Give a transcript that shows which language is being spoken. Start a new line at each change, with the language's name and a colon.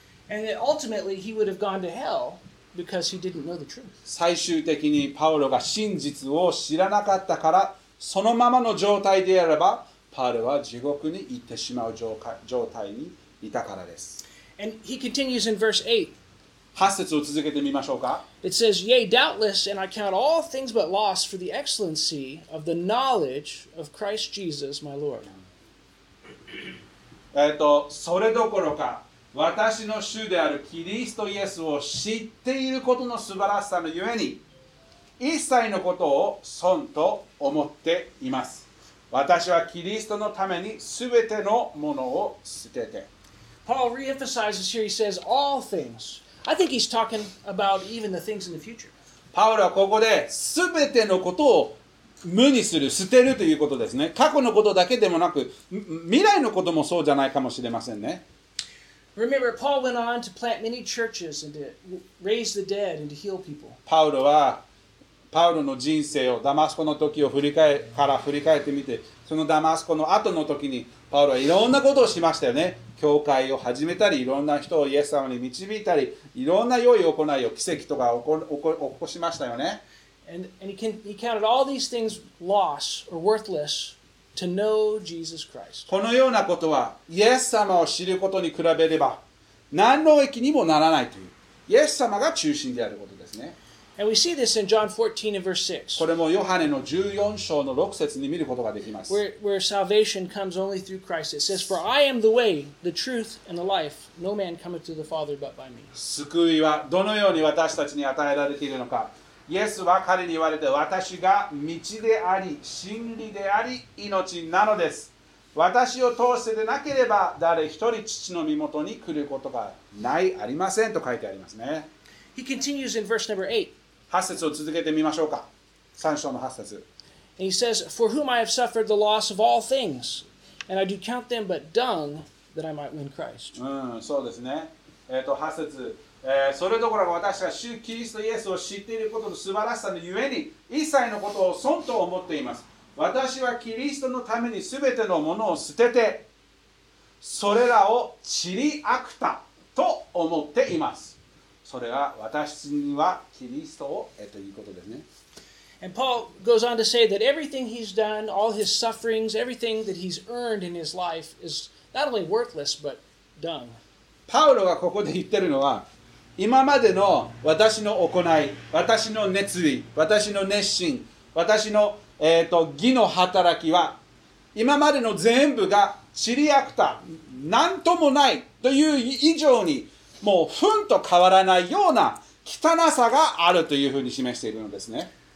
English: And ultimately he would have gone to hell because he didn't know the truth.
Japanese: 最終的にパウロが真実を知らなかったから、そのままの状態であれば、パウロは地獄に行ってしまう状態にいたからです。
English: And he continues in verse
Japanese: 8. 8節を続けてみましょうか。
English: It says, Yea, doubtless, and I count all things but loss for the excellency of the knowledge of Christ Jesus, my Lord.
Japanese: それどころか、私の主であるキリストイエスを知っていることの素晴らしさのゆえに、一切のことを損と思っています。私はキリストのためにすべてのものを捨てて。
English: Paul reemphasizes here, he says, all things. I think he's talking about even the things in the future.
Japanese: パウロはここで、すべてのことを無にする、捨てるということですね。過去のことだけでもなく、未来のこともそうじゃないかもしれませんね。
English: Remember, Paul went on to plant many churches and to raise the dead and to heal people.
Japanese: パウロは、パウロの人生を、ダマスコの時を振り返ってみて、そのダマスコの後の時に、パウロはいろんなことをしましたよね。教会を始めたり、いろんな人をイエス様に導いたり、いろんな良い行いを、奇跡とか起こしましたよね。
English: And he counted all these things loss or worthless to know Jesus Christ.
Japanese: このようなことは、イエス様を知ることに比べれば、何の益にもならないという、イエス様が中心であることですね。
English: And we see this in John 14 and verse 6.
Japanese: これもヨハネの14章の6節に見ることができます。
English: Where salvation comes only through Christ. It says, For I am the way, the truth, and the life. No man cometh to the Father but by me.
Japanese: 救いはどのように私たちに与えられているのか。イエスは彼に言われて、私が道であり、真理であり、命なのです。私を通してでなければ、誰一人父の身元に来ることがない、ありませんと書いてありますね。
English: He continues in verse number 8.
Japanese: 8節を続けてみましょうか。 3章の8節。
English: And he says, For whom I have suffered the loss of all things, and I do count them but dung that I might win Christ.
Japanese: そうですね。8節。それどころか私は主キリストイエスを知っていることの素晴らしさのゆえに、一切のことを損と思っています。私はキリストのためにすべてのものを捨てて、それらを散りあくたと思っています。それは私にはキリストを得ということですね。
English: And Paul goes on to say that everything he's done, all his sufferings, everything that he's earned in his life is not only worthless, but dung.
Japanese: パウロがここで言ってるのは、今までの私の行い、私の熱意、私の熱心、私の、義の働きは、今までの全部が散りあくた、なんともないという以上に、もうふんと変わらないような汚さがあるというふうに示しているのですね。